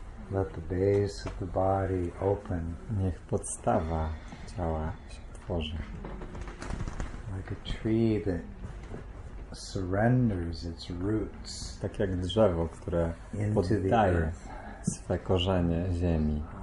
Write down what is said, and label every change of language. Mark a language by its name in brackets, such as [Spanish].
[English] Let the base of the body open. [Polish] Niech podstawa ciała się otworzy. [English] Like a tree that surrenders its roots. [Polish] Tak jak drzewo, które poddaje swe korzenie ziemi.